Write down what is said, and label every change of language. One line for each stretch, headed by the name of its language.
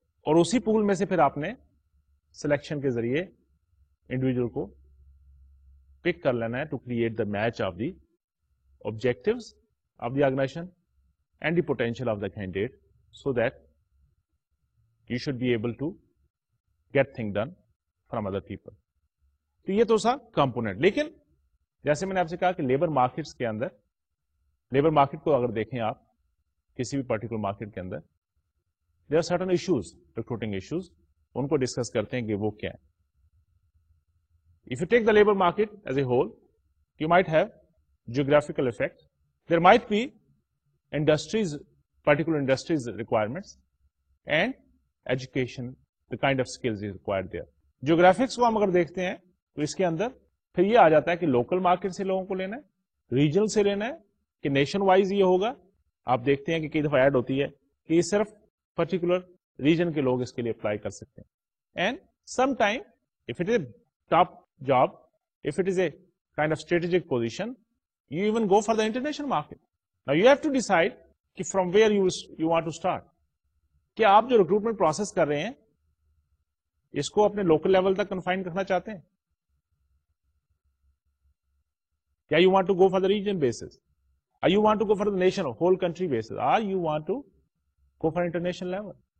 Urdu: اور اسی پول میں سے پھر آپ نے سلیکشن کے ذریعے انڈیویجل کو پک کر لینا ہے
English: To create the match of the objectives of the organisation and the potential of the candidate so that you should be able to get thing done from other people.
Urdu: تو یہ تو سا کمپونیٹ. لیکن جیسے میں نے آپ سے کہا کہ لیبر مارکیٹس کے اندر, لیبر مارکیٹ کو اگر دیکھیں آپ کسی بھی پرٹیکولر مارکیٹ کے اندر,
English: there are certain issues,
Urdu: recruiting issues, ان کو ڈسکس کرتے ہیں کہ وہ کیا ہے.
English: If you take the labor market as a whole, you might have geographical effect. There might be industries, particular industries requirements and education, the kind of skills is required there.
Urdu: Geographics کو ہم اگر دیکھتے ہیں تو اس کے اندر پھر یہ آ جاتا ہے کہ لوکل مارکیٹ سے لوگوں کو لینا ہے, ریجنل سے لینا ہے, کہ نیشن وائز یہ ہوگا. آپ دیکھتے ہیں کہ کئی دفعہ ایڈ ہوتی ہے کہ یہ صرف پرٹیکولر ریجن کے لوگ اس کے لیے اپلائی کر سکتے ہیں.
English: And some time if it is a top job, if it is a kind of strategic position, you even go for the international market. Now you have to decide کہ from where you want to start.
Urdu: کیا آپ جو recruitment process کر رہے ہیں اس کو اپنے local level تک کنفائن کرنا چاہتے ہیں,
English: کیا you want to go for the region basis, or you want to go for the nation whole country basis, or you want to go for international level.